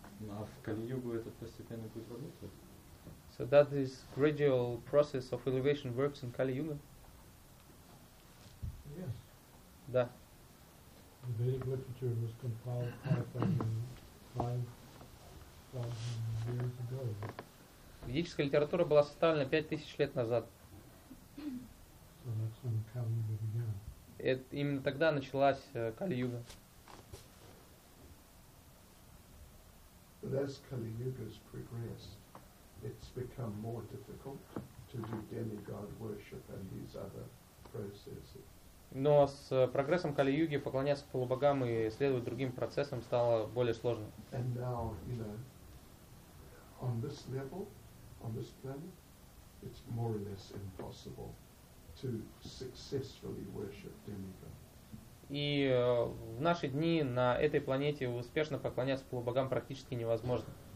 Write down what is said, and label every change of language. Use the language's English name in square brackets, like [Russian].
[Russian] А в Кали-югу этот постепенный путь работает? [English] So that this gradual process of elevation works in Kali-yuga? Yes. [Russian] Да. [English] The Vedic literature was compiled 5,000 years ago. [Russian] Ведическая литература была составлена 5,000 лет назад. [English] So that's when Kali-Yuga began. [Russian] Именно тогда началась Кали-Юга. [English] But as Kali-Yuga's progressed, it's become more difficult to do demigod worship and these other processes. [Russian] Но с прогрессом Кали-Юги поклоняться полубогам и следовать другим процессам стало более сложно. [English] Now, you know, on this level, on this planet, it's more or less impossible to successfully worship demigod. [Russian] И в наши дни на этой планете успешно поклоняться полубогам практически невозможно.